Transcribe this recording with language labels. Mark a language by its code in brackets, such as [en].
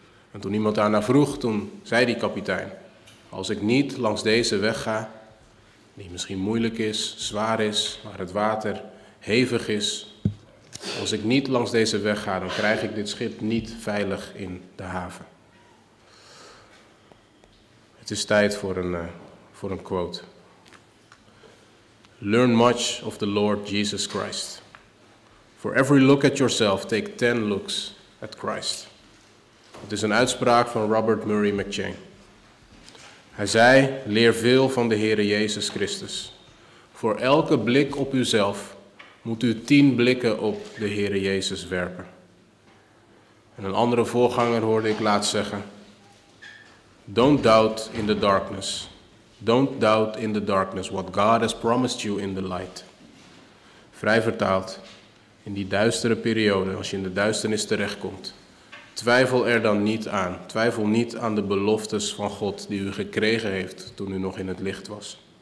[nl] En toen iemand daarna vroeg, toen zei die kapitein: als ik niet langs deze weg ga, die misschien moeilijk is, zwaar is, waar het water hevig is. Als ik niet langs deze weg ga, dan krijg ik dit schip niet veilig in de haven. Het is tijd voor een quote. [en] Learn much of the Lord Jesus Christ. For every look at yourself, take 10 looks at Christ. [nl] Het is een uitspraak van Robert Murray McChain. Hij zei: leer veel van de Heere Jezus Christus. Voor elke blik op uzelf moet u 10 blikken op de Heere Jezus werpen. En een andere voorganger hoorde ik laatst zeggen: [en] don't doubt in the darkness. Don't doubt in the darkness what God has promised you in the light. [nl] Vrij vertaald, in die duistere periode, als je in de duisternis terechtkomt, twijfel er dan niet aan. Twijfel niet aan de beloftes van God die u gekregen heeft toen u nog in het licht was.